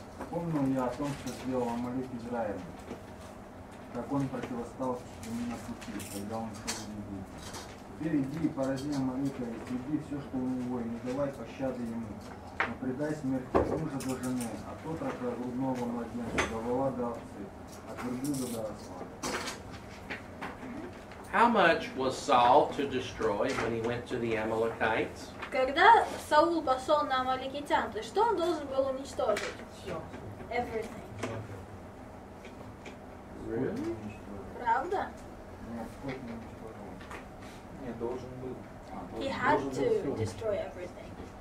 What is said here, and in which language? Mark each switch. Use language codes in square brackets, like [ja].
[ru] Помнил я о том, что сделал Амалек Израилю, как он противостал ему на пути, когда он сказал не будет. Теперь иди и порази Амалека, и сведи все, что у него, и не давай пощады ему. Но предай смерть мужа до жены, от отрока грудного младенца, до вола до овцы, от верблюда до осла. [en] How much was Saul to destroy when he went to the Amalekites? [ru] Когда Саул пошел на Амалекитян, то что он должен был уничтожить? Все. [en] Everything. Really? [ru] Правда? Нет, не должен был. [en] He had to destroy everything.